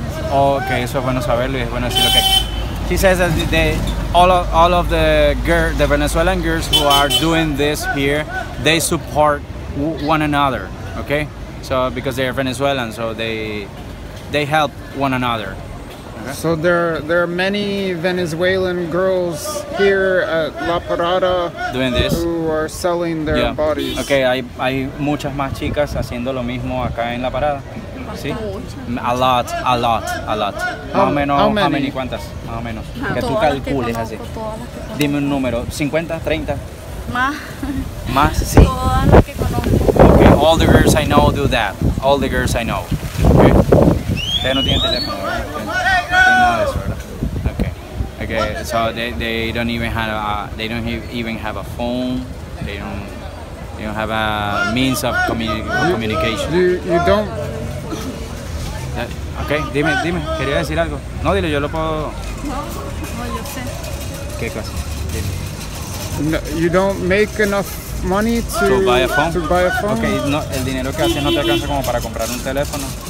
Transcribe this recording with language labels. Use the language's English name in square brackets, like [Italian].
[Spanish] Oh, okay, eso es bueno saberlo y es bueno decirlo. [English] Okay. She says that all of the girl, the Venezuelan girls who are doing this here, they support one another. Okay. So because they are Venezuelan, so they help one another. So there are many Venezuelan girls here at La Parada doing this, who are selling their yeah. bodies. [Spanish] Okay, hay muchas más chicas haciendo lo mismo acá en La Parada. [English] Sí. A lot. How many? [Spanish] ¿Cuántas? Más o menos. Que tú calcules así. Dime un número. 50, 30. Más. Sí. Todas las que conozco. [English] Okay, all the girls I know do that. All the girls I know. Okay. They don't have telephone. Okay. So they don't even have a phone. They don't have a means of communication. You don't. [Spanish] Okay. Dime. Quería decir algo. No, dile. Yo lo puedo. No, yo sé. ¿Qué cosa? Dime. [English] No, you don't make enough money to buy a phone. Okay. [Spanish] No, el dinero que haces no te alcanza como para comprar un teléfono.